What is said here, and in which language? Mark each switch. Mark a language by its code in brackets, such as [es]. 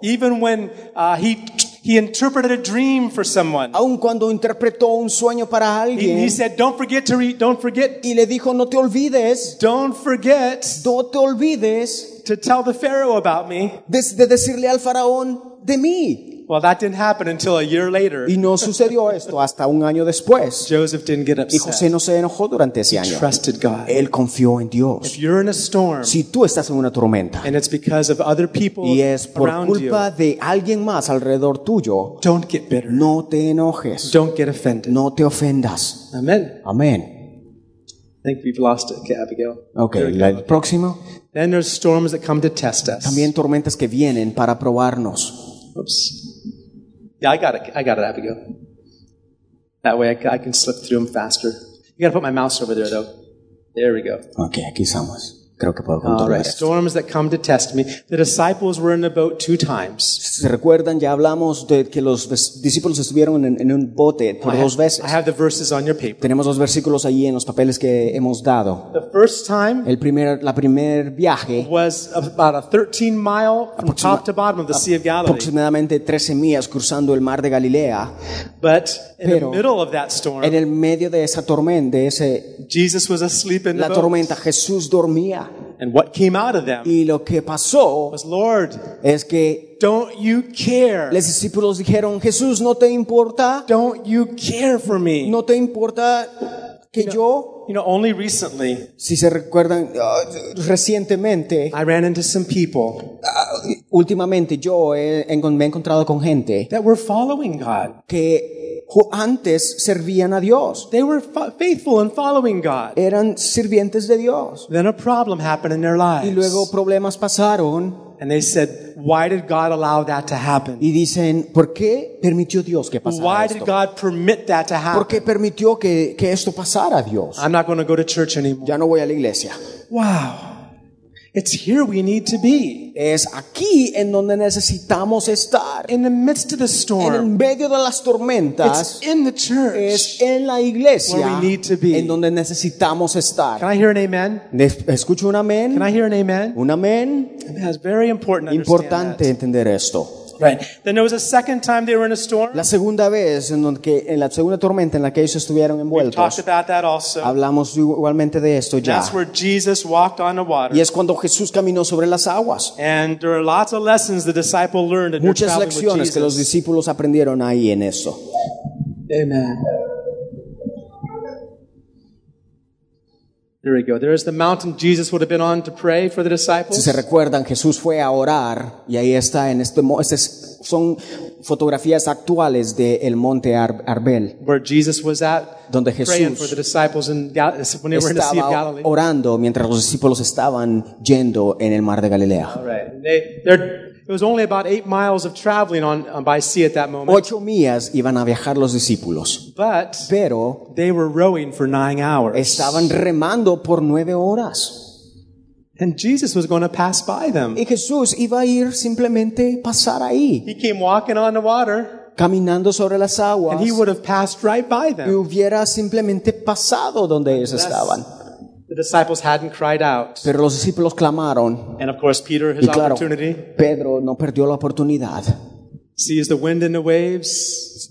[en] Even when he interpreted a dream for someone. [es] Aun cuando interpretó un sueño para alguien. [en] He said, "Don't forget to read. Don't forget." [es] Y le dijo, "No te olvides." [en] Don't forget. [es] No te olvides. [en] To tell the Pharaoh about me. [es] De decirle al faraón de mí. [en] Well, that didn't happen until a year later. [es] Y no sucedió esto hasta un año después. [en] Joseph didn't get upset. [es] Y José no se enojó durante ese año. [en] He trusted God. [es] Él confió en Dios. [en] If you're in a storm, [es] si tú estás en una tormenta, [en] and it's because of other people, [es] y es por culpa de alguien más alrededor tuyo, [en] don't get bitter. [es] No te enojes. [en] Don't get offended. [es] No te ofendas. [en] Amen. [es] Amen. [en] I think we've lost it, okay, Abigail. [es] Okay, la próxima. [en] Then there's storms that come to test us. [es] También tormentas que vienen para probarnos. [en] Oops. Yeah, I got it, Abigail. That way I can slip through them faster. You got to put my mouse over there, though. There we go. [es] Okay, aquí estamos. Creo que puedo controlar. [en] All right, storms that come to test me. The disciples were in the boat two times. [es] ¿Se recuerdan? Ya hablamos de que los discípulos estuvieron en un bote por dos veces. [en] I have the verses on your paper. [es] Tenemos los versículos ahí en los papeles que hemos dado. [en] The first time, [es] la primer viaje, [en] was about a 13 mile from top to bottom of the Sea of Galilee. [es] Aproximadamente 13 millas cruzando el mar de Galilea. [en] But in the middle of that storm, [es] en el medio de esa tormenta, ese [en] Jesus was asleep in [es] la tormenta, Jesús dormía. [en] And what came out of them? [es] Y lo que pasó [en] was, Lord, [es] es que [en] don't you care? [es] Los discípulos dijeron, Jesús, ¿no te importa? [en] Don't you care for me? [es] ¿No te importa que yo? [en] You know, only recently, [es] si se recuerdan, recientemente, [en] I ran into some people. [es] Últimamente yo me he encontrado con gente [en] that were following God. [es] Que antes servían a Dios. [en] They were faithful in following God. [es] Eran sirvientes de Dios. [en] Then a problem happened in their lives. [es] Y luego problemas pasaron. [en] And they said, why did God allow that to happen? [es] Y dicen, ¿por qué permitió Dios que pasara esto? [en] Why did God permit that to happen? [es] ¿Por qué permitió que esto pasara, Dios? [en] I'm not going to go to church anymore. [es] Ya no voy a la iglesia. [en] Wow. It's here we need to be. [es] Es aquí en donde necesitamos estar. [en] In the midst of the storm. [es] En medio de las tormentas. [en] It's in the church. [es] Es en la iglesia. [en] Where we need to be. [es] En donde necesitamos estar. [en] Can I hear an amen? [es] ¿Escucho un amén? [en] Can I hear an amen? [es] Un amén. [en] It's very important. [es] Importante entender esto. [en] Right. Then there was a second time they were in a storm. [es] La segunda vez en la segunda tormenta en la que ellos estuvieron envueltos. [en] We talked about that also. [es] Hablamos igualmente de esto ya. [en] That's where Jesus walked on the water. [es] Y es cuando Jesús caminó sobre las aguas. [en] And there are lots of lessons the disciple learned in [es] muchas lecciones que los discípulos aprendieron ahí en eso. [en] Amen. There we go. There is the mountain Jesus would have been on to pray for the disciples. [es] Si se recuerdan, Jesús fue a orar y ahí está en este monte. Son fotografías actuales del monte Arbel. [en] Where Jesus was at. [es] Donde Jesús [en] praying for the disciples in when they were in the Sea of Galilee. [es] Estaba orando mientras los discípulos estaban yendo en el mar de Galilea. [en] All right. It was only about 8 miles of traveling on by sea at that moment. [es] 8 millas iban a viajar los discípulos. [en] But [es] pero [en] they were rowing for 9 hours. [es] Estaban remando por 9 horas. [en] And Jesus was going to pass by them. [es] Y Jesús iba a ir simplemente pasar ahí. [en] He came walking on the water. [es] Caminando sobre las aguas. [en] And he would have passed right by them. [es] Y hubiera simplemente pasado donde ellos estaban. [en] The disciples hadn't cried out. [es] Pero los discípulos clamaron. [en] And of course, Peter, his [es] y claro, [en] opportunity. [es] Pedro no perdió la oportunidad. [en] Sees the wind and the waves.